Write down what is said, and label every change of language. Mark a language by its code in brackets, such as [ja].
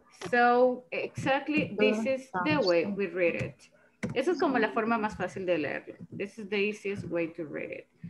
[en] So exactly this is the way we read it. [es] Esa es como la forma más fácil de leerlo. [en] This is the easiest way to read it.